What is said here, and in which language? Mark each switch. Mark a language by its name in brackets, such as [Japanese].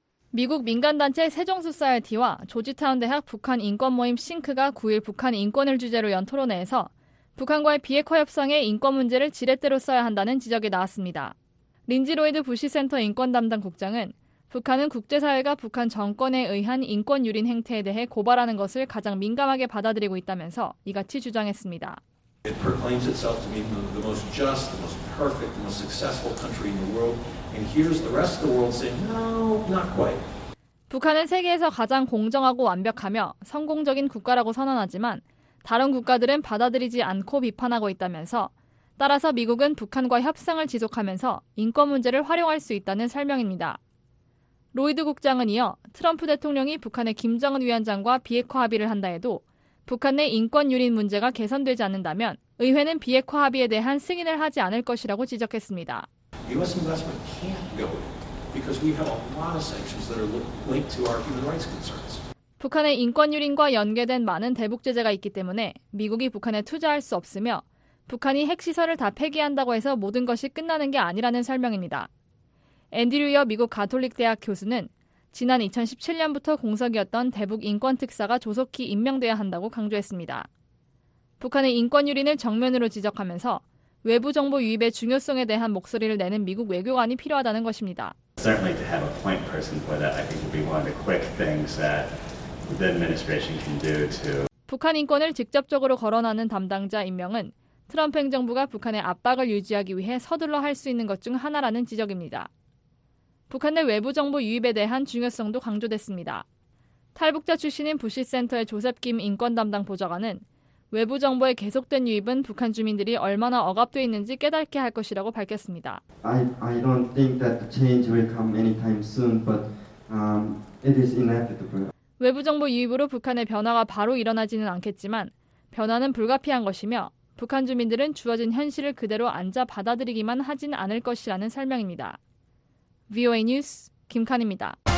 [Korean] 미국 민간단체 세종소사이어티와 조지타운 대학 북한 인권 모임 싱크가 9일 북한 인권을 주제로 연 토론회에서 북한과의 비핵화 협상에 인권 문제를 지렛대로 써야 한다는 지적이 나왔습니다. 린지 로이드 부시센터 인권 담당 국장은 북한은 국제사회가 북한 정권에 의한 인권 유린 행태에 대해 고발하는 것을 가장 민감하게 받아들이고 있다면서 이같이 주장했습니다. [English] It proclaims itself to be the most just, the most perfect, the most successful country in the world. And here's the rest of the world saying, no, not quite. [Korean] 북한은 세계에서 가장 공정하고 완벽하며 성공적인 국가라고 선언하지만 다른 국가들은 받아들이지 않고 비판하고 있다면서 따라서 미국은 북한과 협상을 지속하면서 인권 문제를 활용할 수 있다는 설명입니다. 로이드 국장은 이어 트럼프 대통령이 북한의 김정은 위원장과 비핵화 합의를 한다 해도 북한 내 인권 유린 문제가 개선되지 않는다면 의회는 비핵화 합의에 대한 승인을 하지 않을 것이라고 지적했습니다. [English] US investment can't go because we have a lot of sanctions that are linked to our human rights concerns. [Korean] 북한의 인권 유린과 연계된 많은 대북 제재가 있기 때문에 미국이 북한에 투자할 수 없으며 북한이 핵시설을 다 폐기한다고 해서 모든 것이 끝나는 게 아니라는 설명입니다. 앤디 류여 미국 가톨릭 대학 교수는 지난 2017년부터 공석이었던 대북 인권 특사가 조속히 임명돼야 한다고 강조했습니다. 북한의 인권 유린을 정면으로 지적하면서 외부 정보 유입의 중요성에 대한 목소리를 내는 미국 외교관이 필요하다는 것입니다. [English] Certainly to have a point person for that, I think would be one of the quick things that the administration can do to [Korean] 북한 인권을 직접적으로 거론하는 담당자 임명은 트럼프 행정부가 북한의 압박을 유지하기 위해 서둘러 할 수 있는 것 중 하나라는 지적입니다. 북한 내 외부 정보 유입에 대한 중요성도 강조됐습니다. 탈북자 출신인 부시센터의 조셉 김 인권 담당 보좌관은 외부 정보의 계속된 유입은 북한 주민들이 얼마나 억압돼 있는지 깨닫게 할 것이라고 밝혔습니다. [English] I don't think that the change will come anytime soon, but it is inevitable. [Korean] 외부 정보 유입으로 북한의 변화가 바로 일어나지는 않겠지만 변화는 불가피한 것이며 북한 주민들은 주어진 현실을 그대로 앉아 받아들이기만 하진 않을 것이라는 설명입니다. VOA 뉴스 김칸입니다.